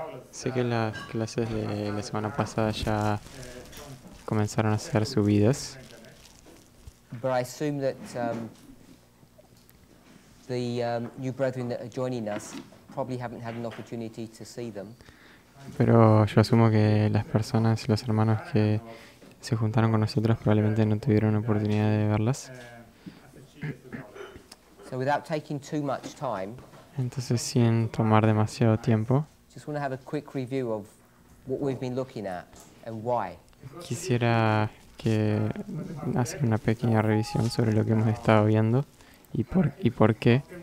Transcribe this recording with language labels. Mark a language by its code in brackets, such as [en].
[es] Sé que las clases de la semana pasada ya comenzaron a ser subidas. [en] But I assume that the new brethren that are joining us probably haven't had an opportunity to see them. [es] Pero yo asumo que las personas, los hermanos que se juntaron con nosotros probablemente no tuvieron oportunidad de verlas. [en] So without taking too much time, [es] entonces sin tomar demasiado tiempo, [en] just want to have a quick review of what we've been looking at and why. [es] Quisiera que hacer una pequeña revisión sobre lo que hemos estado viendo y por qué.